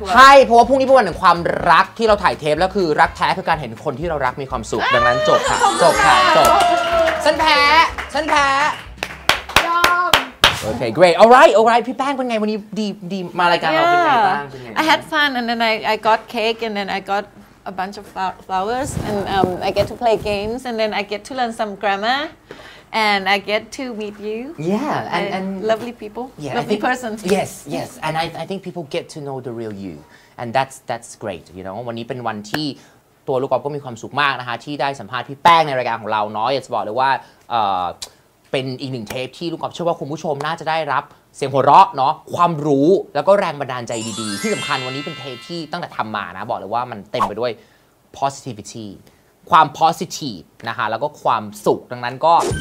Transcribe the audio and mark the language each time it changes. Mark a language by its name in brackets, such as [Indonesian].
[Thai] วร์ใช่เพราะว่าพรุ่งนี้เป็นวันแห่งความรักที่เราถ่ายเทปแล้วคือรักแท้คือการเห็นคนที่เรารักมีความสุขดังนั้นจบค่ะจบค่ะจบฉันแพ้ฉันแพ้ ยอม โอเค [English] great alright [Thai] พี่แป้งเป็นไงวันนี้ดีมารายการเราเป็นไงบ้าง [English] I had fun and then I got cake and then I got a bunch of flowers and I get to play games and then I get to learn some grammarAnd I get to meet you. Yeah, and lovely people, yeah, lovely persons. Yes, yes, and I think people get to know the real you, and that's great. You know, [Thai] วันนี้เป็นวันที่ตัวลูกกอล์ฟก็มีความสุขมากนะคะที่ได้สัมภาษณ์พี่แป้งในรายการของเราเนาะอยากจะบอกเลยว่าเป็นอีกหนึ่งเทปที่ลูกกอล์ฟเชื่อว่าคุณผู้ชมน่าจะได้รับเสียงหัวเราะเนาะความรู้แล้วก็แรงบันดาลใจดีๆที่สำคัญวันนี้เป็นเทปที่ตั้งแต่ทำมานะบอกเลยว่ามันเต็มไปด้วย positivityความ positive นะคะแล้วก็ความสุขดังนั้นก็